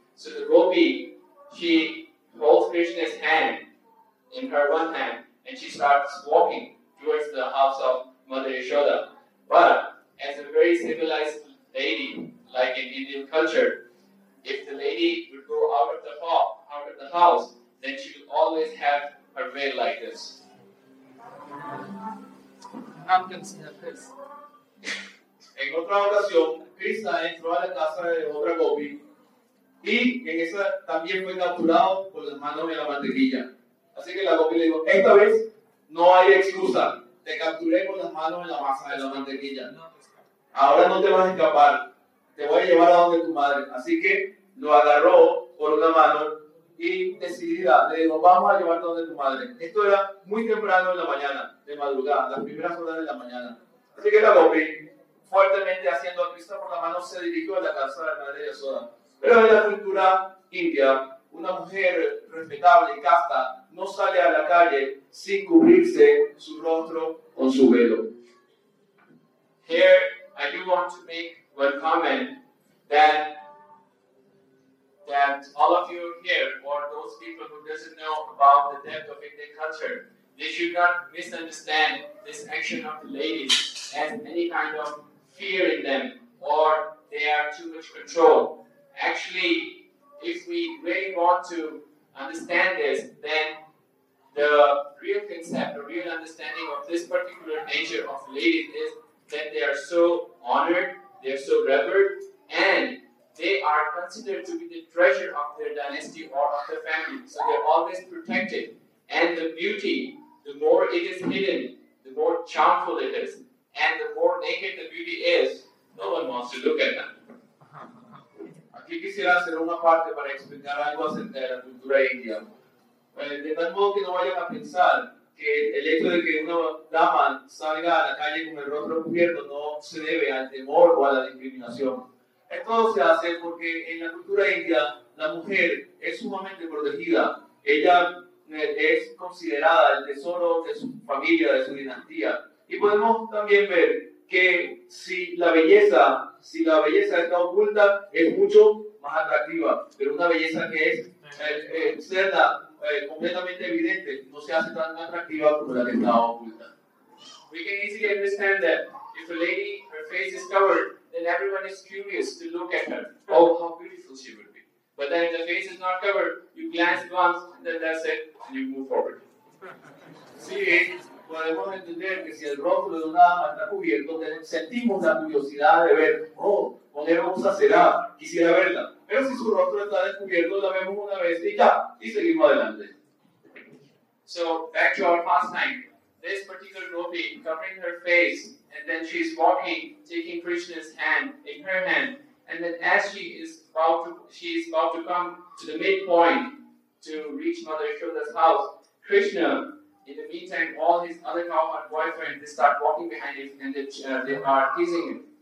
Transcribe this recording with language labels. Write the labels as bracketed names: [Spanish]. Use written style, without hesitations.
[English] So the Gopi, she holds Krishna's hand in her one hand and she starts walking towards the house of Mother Yashoda. But as a very civilized lady, like in Indian culture, if the lady would go out of the house, then she would always have her veil like this. I'm going to see her face. [Spanish] En otra ocasión, Krishna entró a la casa de otra Gopi y en esa también fue capturado con las manos en la mantequilla. Así que la Gopi le dijo, esta vez no hay excusa, te capturé con las manos en la masa de la mantequilla. Ahora no te vas a escapar, te voy a llevar a donde tu madre. Así que lo agarró por una mano y decidida, le dijo, vamos a llevarte a donde tu madre. Esto era muy temprano en la mañana, de madrugada, las primeras horas de la mañana. Así que la Gopi, fuertemente haciendo a Krishna por la mano, se dirigió a la casa de la madre Yashoda. Pero en la cultura india, una mujer respetable, casta, no sale a la calle sin cubrirse su rostro con su velo. [English] Here, I do want to make one comment that all of you here, or those people who doesn't know about the depth of Indian culture, they should not misunderstand this action of the ladies as any kind of fear in them, or they are too much control. Actually, if we really want to understand this, then the real concept, the real understanding of this particular nature of ladies is that they are so honored, they are so revered, and they are considered to be the treasure of their dynasty or of their family. So they are always protected. And the beauty, the more it is hidden, the more charmful it is. And the more naked the beauty is, no one wants to look at them. [Spanish] Aquí quisiera hacer una parte para explicar algo acerca de la cultura india. De tal modo que no vayan a pensar que el hecho de que una dama salga a la calle con el rostro cubierto no se debe al temor o a la discriminación. Esto se hace porque en la cultura india la mujer es sumamente protegida. Ella es considerada el tesoro de su familia, de su dinastía. Y podemos también ver que si la belleza está oculta, es mucho más atractiva. Pero una belleza que es externa, completamente evidente, no se hace tan atractiva como la que está oculta. [English] We can easily understand that if a lady, her face is covered, then everyone is curious to look at her. Oh, how beautiful she would be. But then if the face is not covered, you glance once, and then that's it, and you move forward. See? [Spanish] podemos entender que si el rostro de una dama está cubierto, sentimos la curiosidad de ver, oh, ¿dónde vamos a ser? Quisiera verla. Pero si su rostro está descubierto, la vemos una vez y ya, y seguimos adelante. [English] So, back to our pastime. This particular gopi covering her face, and then she's walking, taking Krishna's hand in her hand, and then as she is about to come to the midpoint to reach Mother Yashoda's house, Krishna, in the meantime, all his other cowherd boyfriends, they start walking behind him and they are teasing him.